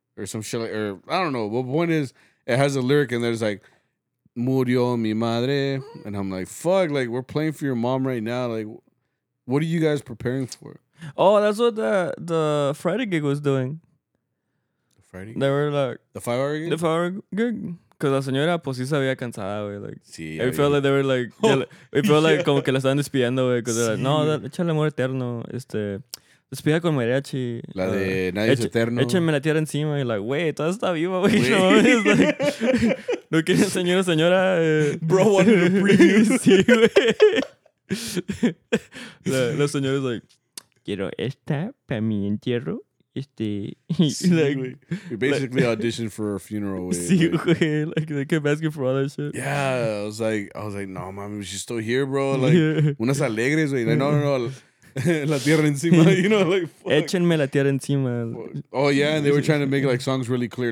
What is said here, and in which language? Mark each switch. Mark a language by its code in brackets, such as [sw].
[en] Or some shit like, or I don't know. But the point is, it has a lyric and there's like, [es] murió mi madre. [en] And I'm like, fuck, like, we're playing for your mom right now. Like, what are you guys preparing for? Oh, that's what the Friday gig was doing. Friday gig? They were like, the 5 hour gig? The 5 hour gig. [es] Cause la señora pues sí se había cansada, güey. [en] Like, sí, it felt like they were like, oh, it felt like [es] como que la estaban despidiendo, güey. [en] Cause sí. They're like, [es] no, échale amor eterno, despida con mariachi. La de nadie es eterno. Échenme la tierra encima y like, güey, toda está viva, güey. No, es like, no quieren señora. [en] Bro wanted a preview. [es] Sí, güey. La señora es like, quiero esta para mi entierro. [en] You basically auditioned for a funeral. Like they kept asking for all that shit. Yeah, I was like, no, mami, she's still here, bro. Like, [es] unas alegres, güey. [en] Like, no, [es] la tierra encima, [en] you know, like, fuck. [es] Échenme la tierra encima. [en] Oh, yeah, and they were trying to make like songs really clear.